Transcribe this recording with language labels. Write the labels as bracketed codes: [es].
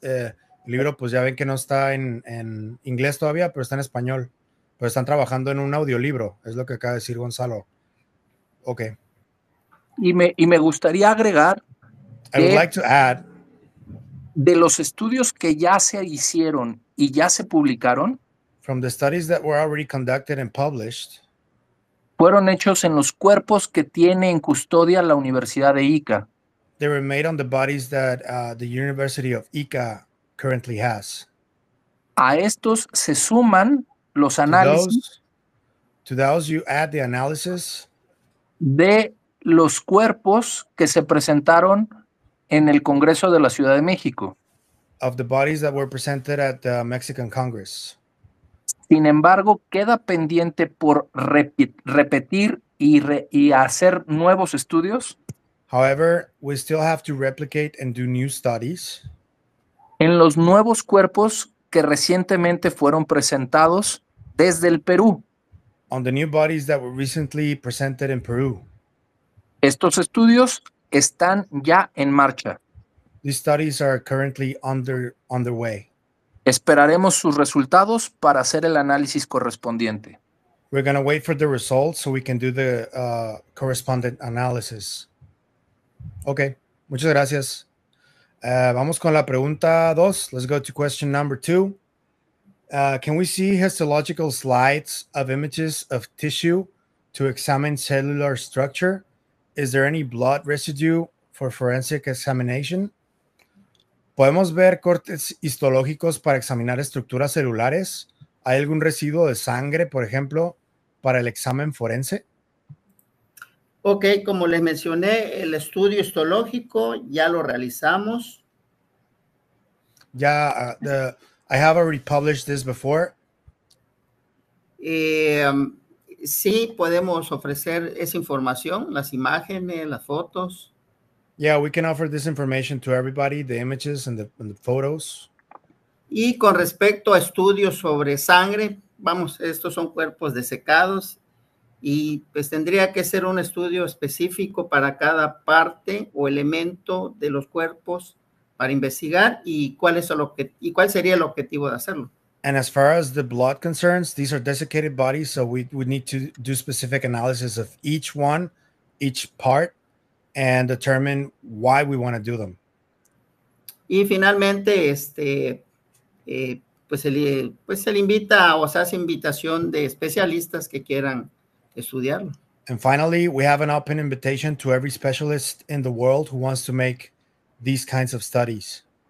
[es] El libro, pues ya ven que no está en inglés todavía, pero está en español. Pero están trabajando en un audiolibro, es lo que acaba de decir Gonzalo. Ok. Y me gustaría agregar. [en] I would like to add. [es] De los estudios que ya se hicieron y ya se publicaron. [en] From the studies that were already conducted and published. [es] Fueron hechos en los cuerpos que tiene en custodia la Universidad de Ica. [en] They were made on the bodies that the University of Ica currently has. [es] A estos se suman los análisis. [en] To those you add the analysis. [es] De los cuerpos que se presentaron en el Congreso de la Ciudad de México. [en] Of the bodies that were presented at the Mexican Congress. [es] Sin embargo, queda pendiente por repetir y hacer nuevos estudios. [en] However, we still have to replicate and do new studies. [es] En los nuevos cuerpos que recientemente fueron presentados desde el Perú. [en] On the new bodies that were recently presented in Peru. [es] Estos estudios están ya en marcha. [en] These studies are currently underway. [es] Esperaremos sus resultados para hacer el análisis correspondiente. [en] We're going to wait for the results so we can do the correspondent analysis. [es] Ok, muchas gracias. Vamos con la pregunta 2. [en] Let's go to question number 2. Can we see histological slides of images of tissue to examine cellular structure? Is there any blood residue for forensic examination? [es] ¿Podemos ver cortes histológicos para examinar estructuras celulares? ¿Hay algún residuo de sangre, por ejemplo, para el examen forense? Ok, como les mencioné, el estudio histológico ya lo realizamos. [en] Ya, I have already published this before. [es] Sí, podemos ofrecer esa información, las imágenes, las fotos. [en] Yeah, we can offer this information to everybody, the images and the photos. [es] Y con respecto a estudios sobre sangre, vamos, estos son cuerpos desecados y pues tendría que ser un estudio específico para cada parte o elemento de los cuerpos para investigar y cuál sería el objetivo de hacerlo. [en] And as far as the blood concerns, these are desiccated bodies, so we would need to do specific analysis of each one, each part, and determine why we want to do them. [es] Y finalmente, se le invita o se hace invitación de especialistas que quieran estudiarlo. [en] And finally, we have an open invitation to every specialist in the world who wants to make these kinds of studies.